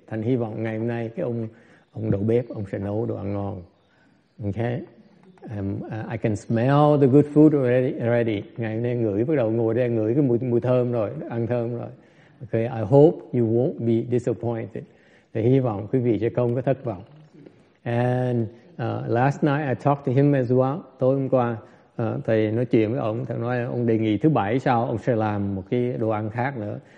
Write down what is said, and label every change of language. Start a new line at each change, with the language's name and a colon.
Vietnamese: Thành hy vọng ngày hôm nay cái ông đầu bếp ông sẽ nấu đồ ăn ngon.
English: Okay, I can smell the good food already.
Vietnamese: Ngày hôm nay ngửi cái mùi thơm rồi, ăn thơm rồi.
English: Okay, I hope you won't be disappointed.
Vietnamese: Thì hy vọng quý vị sẽ không có thất vọng.
English: And last night I talked to him as well.
Vietnamese: Tối hôm qua thầy nói chuyện với ông, thầy nói ông đề nghị thứ bảy sau ông sẽ làm một cái đồ ăn khác nữa.